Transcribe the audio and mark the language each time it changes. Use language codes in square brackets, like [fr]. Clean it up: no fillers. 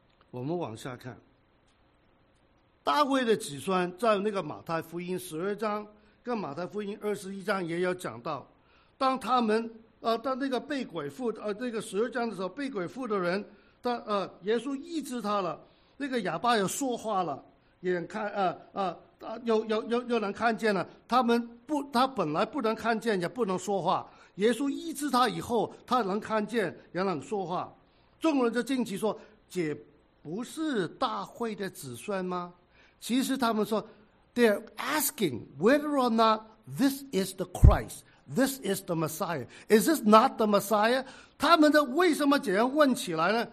[zh] 我们往下看，大卫的子孙在那个马太福音十二章跟马太福音二十一章也有讲到，当他们当那个被鬼附那个十二章的时候，被鬼附的人，耶稣医治他了，那个哑巴也说话了，眼看又能看见了，他本来不能看见也不能说话，耶稣医治他以后，他能看见也能说话。众人就惊奇说：“这不是大卫的子孙吗？” 其实他们说 [en] ，They're asking whether or not this is the Christ, this is the Messiah. Is this not the Messiah? [zh] 他们的为什么这样问起来呢？